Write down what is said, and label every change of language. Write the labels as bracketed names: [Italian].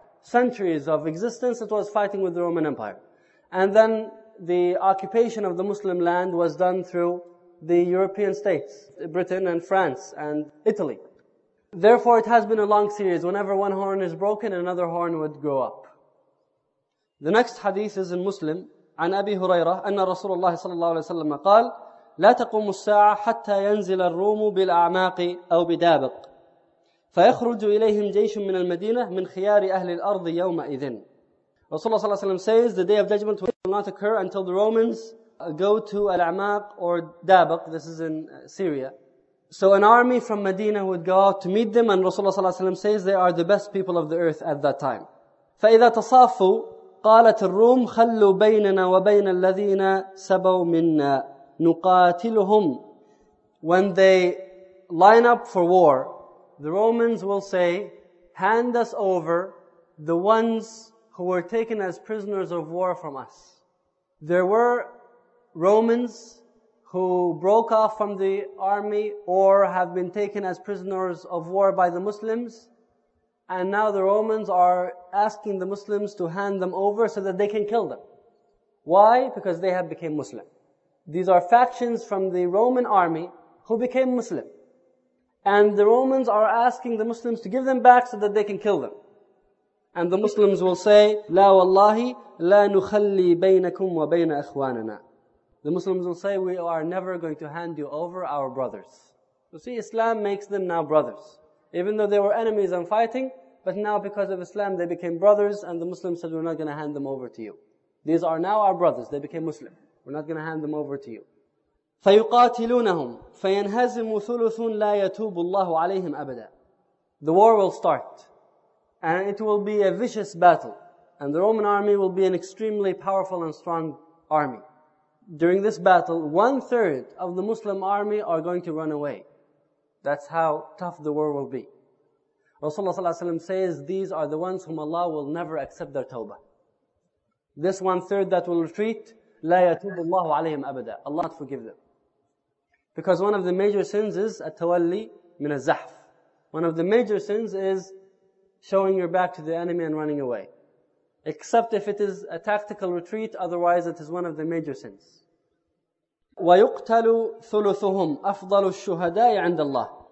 [English] Centuries of existence, it was fighting with the Roman Empire. And then the occupation of the Muslim land was done through the European states, Britain and France and Italy. Therefore, it has been a long series. Whenever one horn is broken, another horn would grow up. The next hadith is in Muslim. [Arabic] عن أبي هريرة أن رسول الله صلى الله عليه وسلم قال لا تقوم الساعة حتى ينزل الروم بالأعماق أو بدابق فيخرج إليهم جيش من المدينة من خيار أهل الأرض يومئذ. [English] Rasulullah sallallahu alayhi wa sallam says the day of judgment will not occur until the Romans go to Al-A'maq or Dabaq, this is in Syria. So an army from Medina would go out to meet them, and Rasulullah sallallahu alayhi wa sallam says they are the best people of the earth at that time. [Arabic] فَإِذَا تَصَافُوا قَالَتِ الرُّومُ خَلُّوا بَيْنَنَا وَبَيْنَ الَّذِينَ سَبَوْا مِنَّا نُقَاتِلُهُمْ. [English] When they line up for war, the Romans will say, hand us over the ones who were taken as prisoners of war from us. There were Romans who broke off from the army or have been taken as prisoners of war by the Muslims. And now the Romans are asking the Muslims to hand them over so that they can kill them. Why? Because they have become Muslim. These are factions from the Roman army who became Muslim. And the Romans are asking the Muslims to give them back so that they can kill them. And the Muslims will say, [Arabic] لا والله لا نخلي بينكم وبين أخواننا. [English] The Muslims will say, we are never going to hand you over our brothers. You see, Islam makes them now brothers. Even though they were enemies and fighting, but now because of Islam they became brothers, and the Muslims said, we're not going to hand them over to you. These are now our brothers, they became Muslim. We're not going to hand them over to you. [Arabic] فَيُقَاتِلُونَهُمْ فَيَنْهَزِمُ ثُلُثٌ لَا يَتُوبُ اللَّهُ عَلَيْهِمْ أَبَدًا. [English] The war will start, and it will be a vicious battle, and the Roman army will be an extremely powerful and strong army. During this battle, 1/3 of the Muslim army are going to run away. That's how tough the war will be. Rasulullah ﷺ says, these are the ones whom Allah will never accept their tawbah. This 1/3 that will retreat, [Arabic] لا يتوب الله عليهم أبدا. [English] Allah forgive them. Because one of the major sins is [Arabic] التولي من الزحف. [English] One of the major sins is showing your back to the enemy and running away. Except if it is a tactical retreat, otherwise it is one of the major sins. [Arabic] وَيُقْتَلُ ثُلُثُهُمْ أَفْضَلُ الشُّهَدَاءِ عِنْدَ اللَّهِ.